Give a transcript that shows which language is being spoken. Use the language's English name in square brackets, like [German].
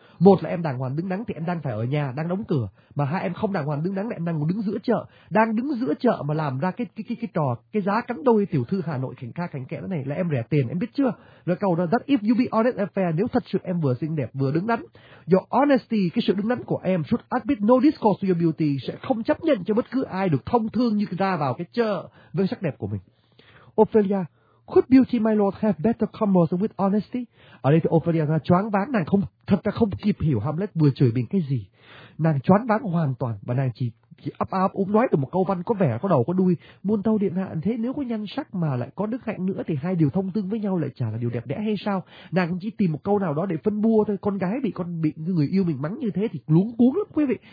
[Vietnamese] Một là em đàng hoàng đứng đắn thì em đang phải ở nhà, đang đóng cửa, mà hai em không đàng hoàng đứng đắn thì em đang đứng giữa chợ, mà làm ra cái trò cái giá cắn đôi tiểu thư Hà Nội khảnh ca khảnh kẽ này là em rẻ tiền, em biết chưa? Rồi câu đó, [English] that if you be honest and fair, [Vietnamese] nếu thật sự em vừa xinh đẹp vừa đứng đắn, [English] your honesty, [Vietnamese] cái sự đứng đắn của em [English] should admit no discourse to your beauty, [Vietnamese] sẽ không chấp nhận cho bất cứ ai được thông thương như ra vào cái chợ với sắc đẹp của mình. [English] Ophelia, could beauty, my lord, have better commerce with honesty? [Vietnamese] Ở đây thì Ophelia là choáng váng, nàng không, thật ra không kịp hiểu Hamlet vừa chửi mình cái gì. Nàng choáng váng hoàn toàn và nàng chỉ ấp áp úng nói được một câu văn có vẻ có đầu có đuôi. Muôn thâu điện hạ, thế nếu có nhan sắc mà lại có đức hạnh nữa thì hai điều thông tương với nhau lại chả là điều đẹp đẽ hay sao? Nàng chỉ tìm một câu nào đó để phân bua thôi. Con gái bị người yêu mình mắng như thế thì luống cuống lắm quý vị.